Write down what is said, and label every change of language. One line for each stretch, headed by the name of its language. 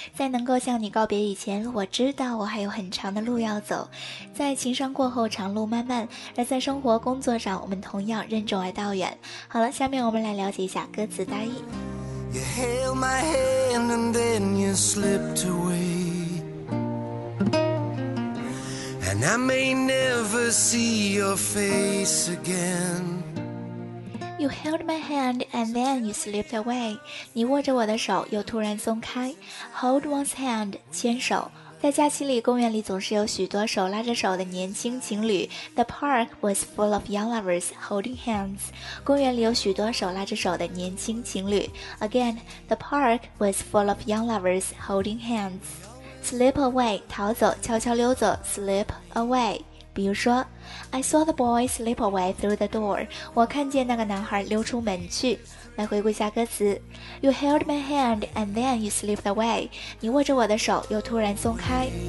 Chinese: 在能够向你告别以前，我知道我还有很长的路要走。在情伤过后，长路漫漫，而在生活工作上，我们同样任重而道远。好了，下面我们来了解一下歌词大意。
English: You held my hand and then you slipped away. And I may never see your face again. You held my hand and then you slipped away.
Chinese: 你握着我的手又突然松开。
English: Hold one's hand, 牵手。
Chinese: 在假期里，公园里总是有许多手拉着手的年轻情侣。
English: The park was full of young lovers holding hands.
Chinese: 公园里有许多手拉着手的年轻情侣。
English: Again, the park was full of young lovers holding hands. Slip away,
Chinese: 逃走，悄悄溜走，
English: slip away.
Chinese: 比如说
English: I saw the boy slip away through the door.
Chinese: 我看见那个男孩溜出门去。来回顾一下歌词。
English: You held my hand and then you slipped away.
Chinese: 你握着我的手又突然松开。